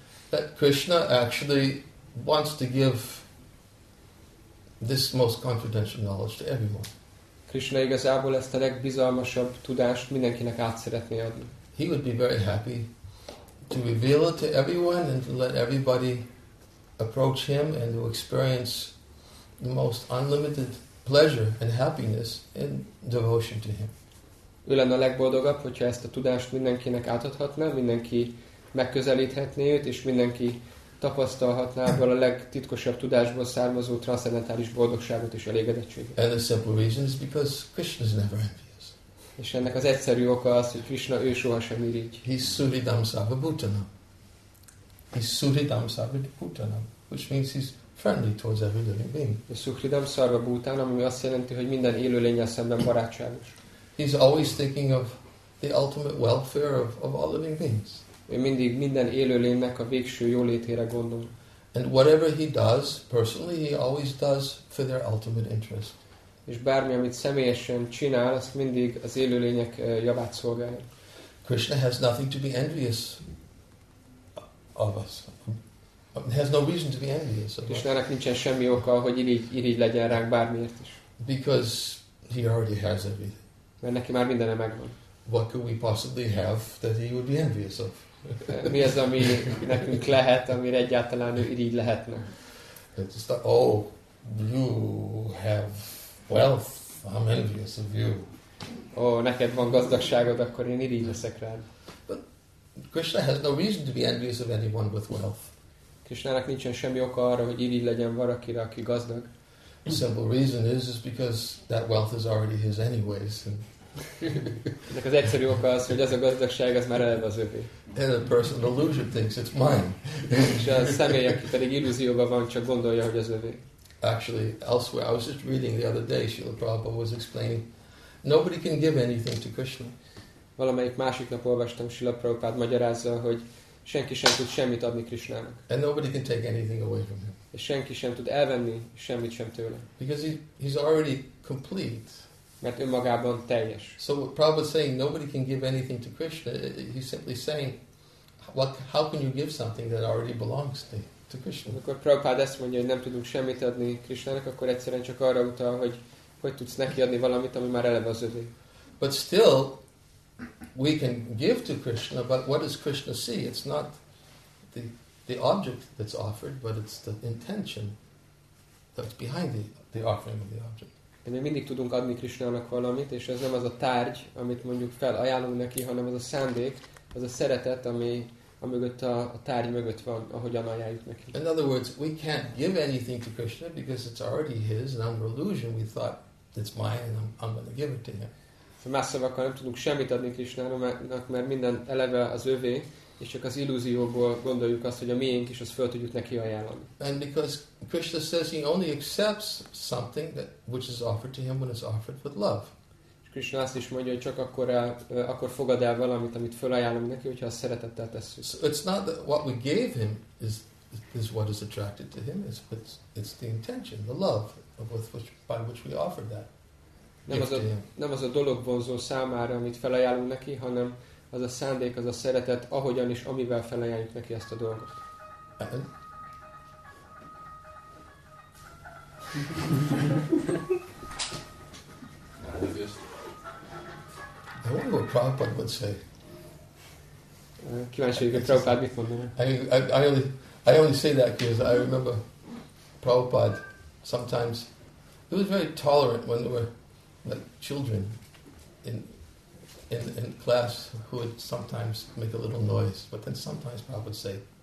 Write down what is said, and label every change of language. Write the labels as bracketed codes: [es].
[en] That Krishna actually wants to give this most confidential knowledge to everyone. [hu] Krishna igazából ezt a legbizalmasabb tudást mindenkinek át szeretné adni. [en] He would be very happy to reveal it to everyone and to let everybody approach him and to experience the most unlimited pleasure and happiness in devotion to him. [hu] Ő lenne a legboldogabb, hogyha ezt a tudást mindenkinek átadhatna, mindenki megközelíthetné őt, és mindenki tapasztalhatná abban a legtitkosabb tudásból származó transzendentális boldogságot és elégedettséget. [en] And the simple reason is because Krishna is never envious. [hu] És ennek az egyszerű oka az, hogy Krishna ő sohasem irigy. [en] He's [sa] Suridam Savabhutanam. [en] He's Suridam Savabhutanam, which means he's friendly towards every living being. [sa] Suridam Savabhutanam, [hu] ami azt jelenti, hogy minden élő lényel szemben barátságos. [en] He's always thinking of the ultimate welfare of all living beings. [hu] Ő mindig minden élőlénynek a végső jólétére gondol. [en] And whatever he does personally, he always does for their ultimate interest. [hu] És bármi, amit személyesen csinál, azt mindig az élőlények javát szolgálja. [en] Krishna has nothing to be envious of us. Has no reason to be envious of us. [hu] Krishnának nincsen semmi oka, hogy irigy legyen ránk bármiért is. [en] Because he already has everything. [hu] Mert neki már mindene megvan. [en] What could we possibly have that he would be envious of? [hu] Mi az, ami nekünk lehet, amire egyáltalán ő irigy lehetne? [en] It's the, oh, you have wealth, I'm envious of you. [hu] Oh, neked van gazdagságod, akkor én irigy leszek rád. [en] But Krishna has no reason to be envious of anyone with wealth. [hu] Krishnának nincsen semmi oka arra, hogy irigy legyen valakire, aki gazdag. [en] The simple reason is because that wealth is already his anyways. And [hu] ennek az egyszerű oka az, hogy az a gazdagság, az már eleve az övé. [en] And a person, the illusion thinks it's mine. [hu] És a személy, aki pedig illúzióban van, csak gondolja, hogy az övé. [en] Actually, elsewhere, I was just reading the other day, Srila Prabhupada was explaining, nobody can give anything to Krishna. [hu] Valamelyik másik nap olvastam, Srila Prabhupada magyarázza, hogy senki sem tud semmit adni Krishnának. [en] And nobody can take anything away from him. [hu] És senki sem tud elvenni semmit sem tőle. [en] Because he's already complete. [hu] Mert önmagában teljes. [en] So Prabhupada saying nobody can give anything to Krishna, he's simply saying, what, how can you give something that already belongs to Krishna? [hu] Amikor Prabhupada ezt mondja, hogy nem tudunk semmit adni Krishnának, akkor egyszerűen csak arra utal, hogy tudsz neki adni valamit, ami már eleve az övé. [en] But still, we can give to Krishna, but what does Krishna see? It's not the object that's offered, but it's the intention that's behind the offering of the object. [hu] Mi mindig tudunk adni Krishnának valamit, és ez nem az a tárgy, amit mondjuk felajánlunk neki, hanem az a szándék, az a szeretet, ami amögött a tárgy mögött van, ahogyan ajánljuk neki. [en] In other words, we can't give anything to Krishna because it's already his, and under illusion we thought it's mine and I'm going to give it to him. [hu] Szóval nem tudunk semmit adni Krishnának, mert minden eleve az övé, és csak az illúzióból gondoljuk azt, hogy a miénk is, azt föl tudjuk neki ajánlani. [en] And because Krishna says he only accepts something that which is offered to him when it's offered with love. [hu] És Krishna azt is mondja, hogy csak akkor fogad el valamit, amit felajánlunk neki, hogyha azt szeretettel tesszük. [en] So it's not that what we gave him is what is attracted to him, it's the intention, the love of which, by which we offer that. [hu] Nem az a dolog vonzó számára, amit felajánlunk neki, hanem az a szándék, az a szeretet, ahogyan is, amivel felajánljuk neki ezt a dolgot. [en] I wonder what Prabhupada would say. [hu] Kíváncsi vagyok, hogy Prabhupada mit mondaná. [en] I only say that because I remember Prabhupada sometimes it was very tolerant when there were like children in class who would sometimes make a little noise, but then sometimes Prabhupada would say,